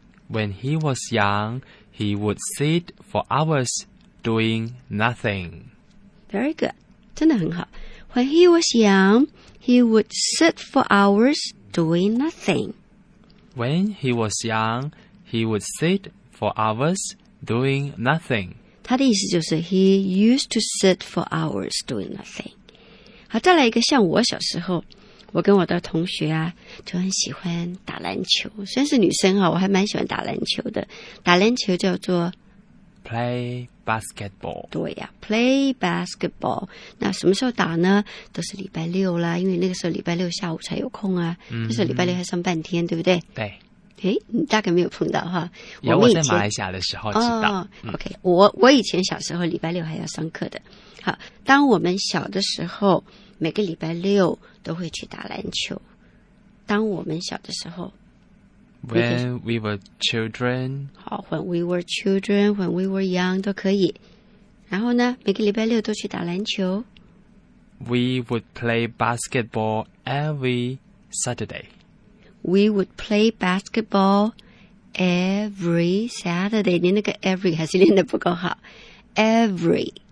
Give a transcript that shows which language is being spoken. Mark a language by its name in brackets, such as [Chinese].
[English] When he was young, he would sit for hours doing nothing. Very good. [Chinese] 真的很好。 [English] When he was young, he would sit for hours doing nothing. When he was young, he would sit for hours doing nothing. [Chinese] 他的意思就是 [English] he used to sit for hours doing nothing. [Chinese] 好，再来一个像我小时候。我跟我的同学啊，就很喜欢打篮球。虽然是女生啊，我还蛮喜欢打篮球的。打篮球叫做 [English] play basketball。 [Chinese] 对呀、啊、， [English] play basketball。 [Chinese] 那什么时候打呢？都是礼拜六啦，因为那个时候礼拜六下午才有空啊。 Mm-hmm. 那时候礼拜六还上半天，对不对？对。哎，你大概没有碰到哈。我在马来西亚的时候知道。哦、OK， 我以前小时候礼拜六还要上课的。好，当我们小的时候。每个礼拜六都会去打篮球。当我们小的时候 [English] ，When we were children，好 ，When we were children，When we were young [Chinese] 都可以。然后呢，每个礼拜六都去打篮球。 [English] We would play basketball every Saturday. We would play basketball every Saturday. [Chinese] 你那个 every 还是练得不够好 ，every